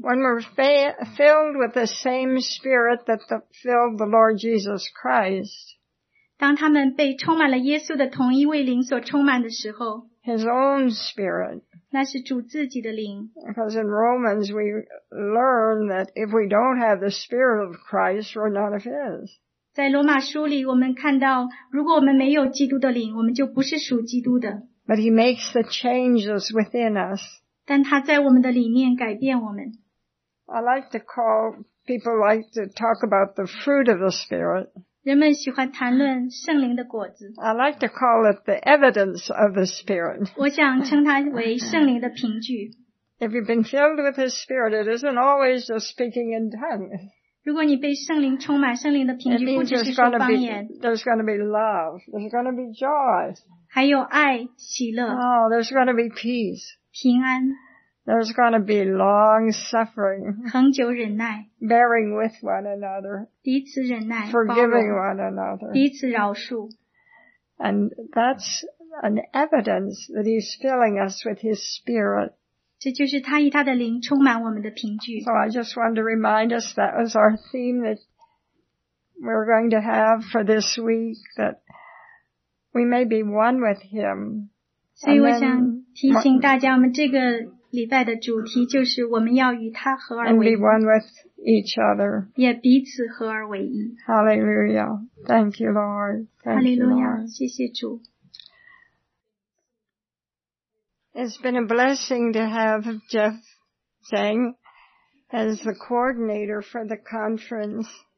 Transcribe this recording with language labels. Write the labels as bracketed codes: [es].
[en] When we're filled with the same Spirit that filled the Lord Jesus Christ, [zh] 当他们被充满了耶稣的同一位灵所充满的时候, [en] His own Spirit, [zh] 那是主自己的灵。 [en] Because in Romans we learn that if we don't have the Spirit of Christ, we're not of His. [zh] 在罗马书里我们看到,如果我们没有基督的灵,我们就不是属基督的。 [en] But He makes the changes within us. [zh] 但他在我们的里面改变我们。 [en] I like to call, people like to talk about the fruit of the Spirit. [zh] 人们喜欢谈论圣灵的果子。 [en] I like to call it the evidence of the Spirit. [zh] 我想称它为圣灵的凭据。 [en] If you've been filled with His Spirit, it isn't always just speaking in tongues. [zh] 如果你被圣灵充满,圣灵的凭据不只是说方言。 [en] There's going to be love. There's going to be joy. [zh] 还有爱,喜乐。 [en] Oh, there's going to be peace. [zh] 平安。 [en] There's going to be long suffering. [zh] 恒久忍耐, [en] bearing with one another. [zh] 彼此忍耐, [en] forgiving [zh] 包容, [en] one another. [zh] 彼此饶恕, [en] and that's an evidence that He's filling us with His Spirit. [zh] 这就是他以他的灵充满我们的凭据。 [en] So I just want to remind us that was our theme that we're going to have for this week, that we may be one with Him. [zh] 所以我想提醒大家, 我们这个礼拜的主题就是我们要与他合而为一。 [en] And be one with each other. [zh] 也彼此合而为一。 [en] Hallelujah. Thank you, Lord. [zh] Hallelujah. 谢谢主。 [en] It's been a blessing to have Jeff Zhang as the coordinator for the conference.